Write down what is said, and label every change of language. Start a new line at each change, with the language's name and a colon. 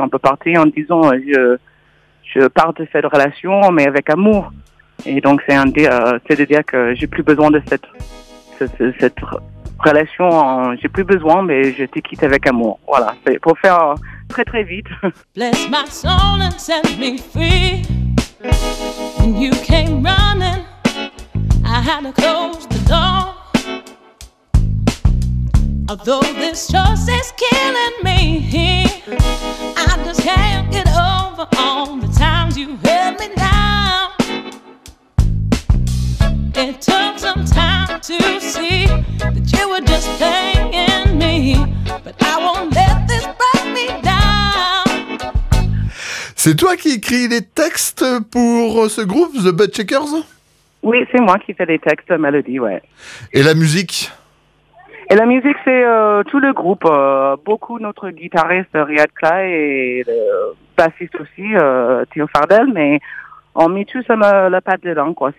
French: On peut partir en disant je pars de cette relation, mais avec amour. Et donc, c'est de dire que j'ai plus besoin de cette relation. J'ai plus besoin, mais je te quitte avec amour. Voilà, c'est pour faire très très vite.
English: Bless my soul and set me free. When you came running, I had to close the door. Although this choice is killing me, I just can't get over all the times you held me down. It took some time to see that you were just playing me, but I won't let this break me down.
French: C'est toi qui écris les textes pour ce groupe, The Butt Shakers? Oui, c'est moi qui fais les textes, la mélodie, ouais. Et la musique? Et la musique, c'est tout le groupe. Beaucoup notre guitariste Riyad Klai et le bassiste aussi, Théo Fardel, mais on met tous la patte dedans, quoi.